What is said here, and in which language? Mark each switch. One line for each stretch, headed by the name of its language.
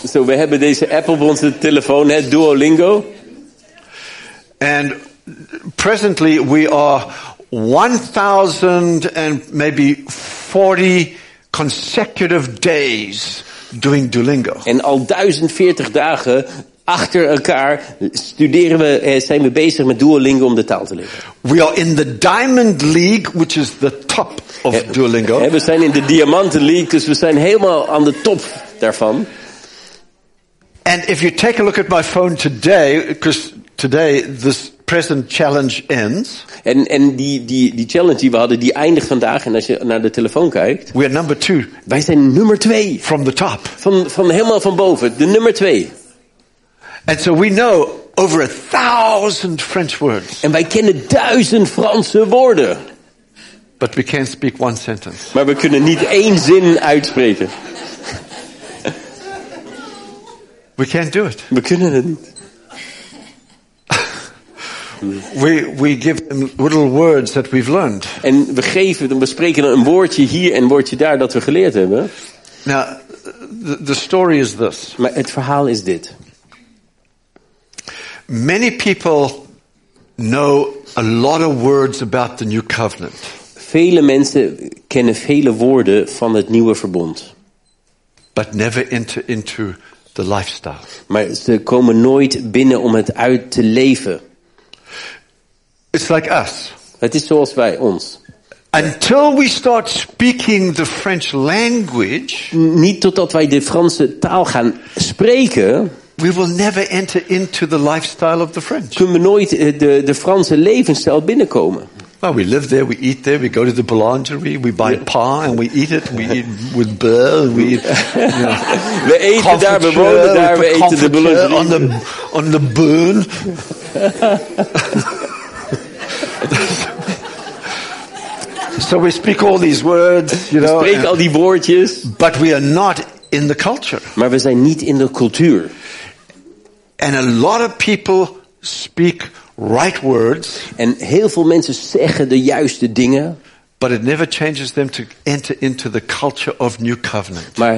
Dutch: So we hebben deze app op onze telefoon, hè, Duolingo.
English: And presently we are 1,040 consecutive days doing Duolingo.
Dutch: En al 1040 dagen achter elkaar studeren we, zijn we bezig met Duolingo om de taal te leren.
English: We are in the Diamond League, which is the top of Duolingo.
Dutch: We zijn in de Diamanten League, dus we zijn helemaal aan de top daarvan.
English: And if you take a look at my phone today, because today this present challenge ends.
Dutch: En die challenge die we hadden, die eindigt vandaag. En als je naar de telefoon kijkt,
English: we are number two.
Dutch: Wij zijn nummer twee.
English: From the top.
Dutch: Van helemaal van boven, de nummer twee.
English: And so we know over 1,000 French words.
Dutch: En wij kennen 1,000 Franse woorden.
English: But we can't speak one sentence.
Dutch: Maar we kunnen niet één zin uitspreken.
English: We can't do it.
Dutch: We kunnen het niet.
English: We give them little words that we've learned.
Dutch: En we geven, we spreken een woordje hier en een woordje daar dat we geleerd hebben.
English: Now, the story is this.
Dutch: Maar het verhaal is dit.
English: Many people know a lot of words about the new covenant.
Dutch: Vele mensen kennen vele woorden van het nieuwe verbond.
English: But never enter into the lifestyle.
Dutch: Maar ze komen nooit binnen om het uit te leven.
English: It's like us.
Dutch: Het is zoals wij ons.
English: Until we start speaking the French language,
Dutch: niet totdat wij de Franse taal gaan spreken,
English: we will never enter into the lifestyle of the French.
Dutch: Kunnen we nooit de Franse levensstijl binnenkomen.
English: Well, we live there, we eat there, we go to the boulangerie, we buy pain and we eat it, we eat with beurre, we eat, you know,
Dutch: we eten daar, we wonen daar, we eten de boulangerie.
English: On the burn. So we speak all these words, you know.
Dutch: We spreken al die woordjes.
English: But we are not in the culture.
Dutch: Maar we zijn niet in de cultuur.
English: And a lot of people speak right words.
Dutch: En heel veel mensen zeggen de juiste dingen.
English: But it never changes them to enter into the culture of New Covenant.